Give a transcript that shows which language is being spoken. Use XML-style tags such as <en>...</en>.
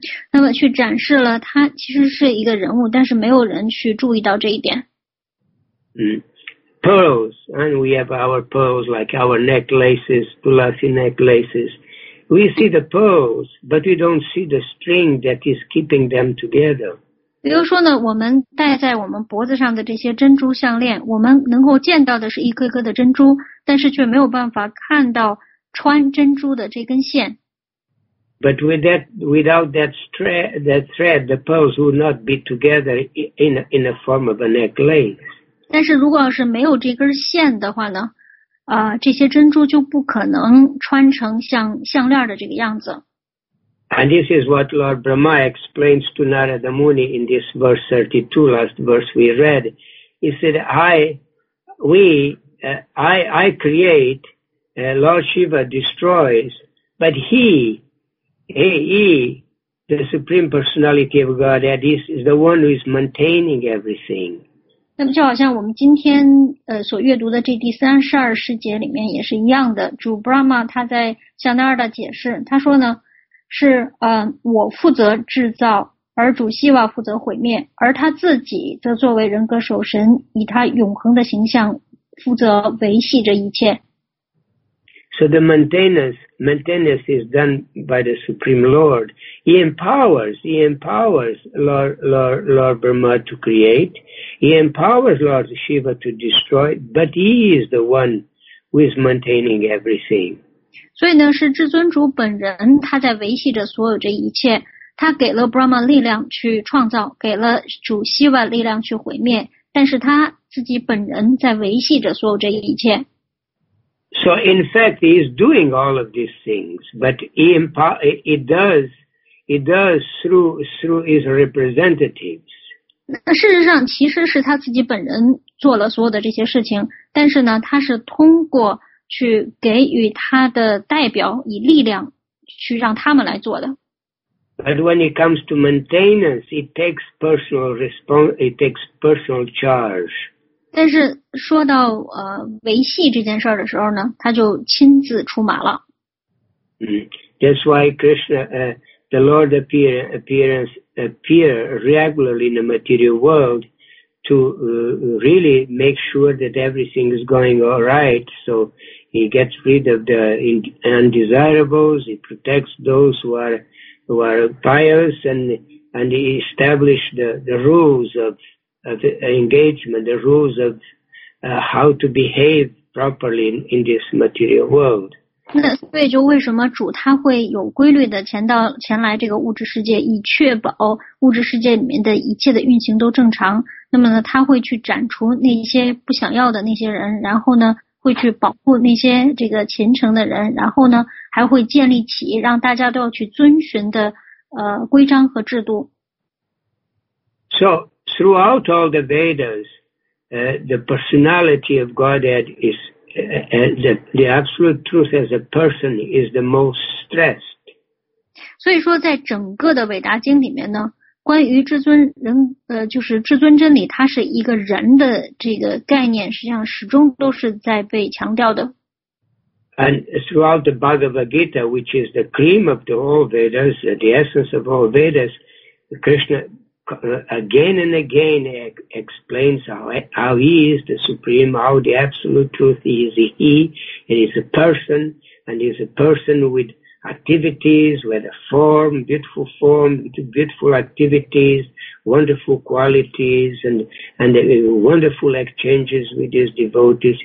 <zh>那么去展示了他其实是一个人物，但是没有人去注意到这一点。</zh> <en>Pearls, and we have our pearls like our necklaces, Tulasi necklaces. We see the pearls, but we don't see the string that is keeping them together.</en> <zh>比如说呢，我们戴在我们脖子上的这些珍珠项链，我们能够见到的是一颗颗的珍珠，但是却没有办法看到穿珍珠的这根线。</zh> <en>But without that thread, the pearls would not be together in a form of a necklace.</en> <zh>但是如果要是没有这根线的话呢，这些珍珠就不可能穿成像项链的这个样子。</zh> <en>And this is what Lord Brahma explains to Narada Muni in this verse 32, last verse we read. He said, I create, Lord Shiva destroys, but he, the Supreme Personality of Godhead, is the one who is maintaining everything.</en> <zh>那么就好像我们今天所阅读的这第三十二世节里面也是一样的，主 Brahma 他在向那儿的解释，他说呢，是我负责制造，而主希瓦负责毁灭，而他自己则作为人格守神，以他永恒的形象负责维系这一切。</zh> <en>So the maintenance is done by the Supreme Lord. He empowers Lord Brahma to create. He empowers Lord Shiva to destroy. But he is the one who is maintaining everything.</en> <zh>所以呢，是至尊主本人他在维系着所有这一切。他给了 Brahma 力量去创造，给了主希瓦力量去毁灭，但是他自己本人在维系着所有这一切。</zh> <en>So in fact, he is doing all of these things, but he does through his representatives.</en> <zh>那事实上其实是他自己本人做了所有的这些事情，但是呢，他是通过去给予他的代表以力量去让他们来做的。</zh> <en>But when it comes to maintenance, it takes personal charge.</en> <zh>但是说到维系这件事儿的时候呢，他就亲自出马了。</zh> <en>That's why Krishna, the Lord appear regularly in the material world to really make sure that everything is going all right. So he gets rid of the undesirables, he protects those who are pious, and he establishes the rules of engagement, the rules of how to behave properly in this material world.</en> <zh>那所以就为什么主他会有规律的前来这个物质世界，以确保物质世界里面的一切的运行都正常。那么呢，他会去斩除那些不想要的那些人，然后呢，会去保护那些这个虔诚的人，然后呢，还会建立起让大家都要去遵循的规章和制度。</zh> <en>So. Throughout all the Vedas, the personality of Godhead is, the absolute truth as a person is the most stressed.</en> <zh>所以说在整个的伟达经里面呢，关于至尊人，就是至尊真理，它是一个人的这个概念，实际上始终都是在被强调的。</zh> <en>And throughout the Bhagavad Gita, which is the cream of the whole Vedas, the essence of all Vedas, Krishna again and again explains how he is the Supreme, how the Absolute Truth is he, and he's a person, and he's a person with activities, with a form, beautiful activities, wonderful qualities, and wonderful exchanges with his devotees.</en>